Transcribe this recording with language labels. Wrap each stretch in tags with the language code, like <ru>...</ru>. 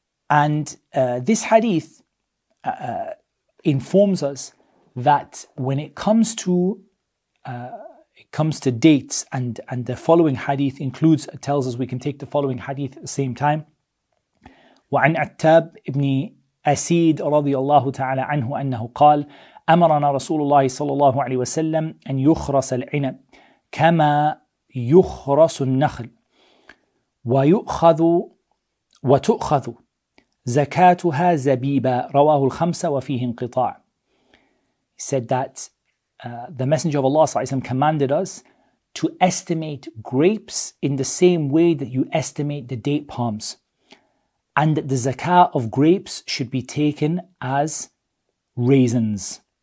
<en>And this hadith informs us that when it comes to dates, and the following hadith tells us we can take the following hadith at the same time.</en> <ar>وعن عتاب ابن أسيد رضي الله تعالى عنه أنه قال أمرنا رسول الله صلى الله عليه وسلم أن يخرس العنب كما يخرس النخل ويؤخذ وتؤخذ زكاتها زبيبا رواه الخمسة وفيه انقطاع.</ar> <en>He said that the Messenger of Allah</en> <ar>صلى الله عليه وسلم</ar> <en>commanded us to estimate grapes in the same way that you estimate the date palms, and that the zakah of grapes should be taken as raisins.</en>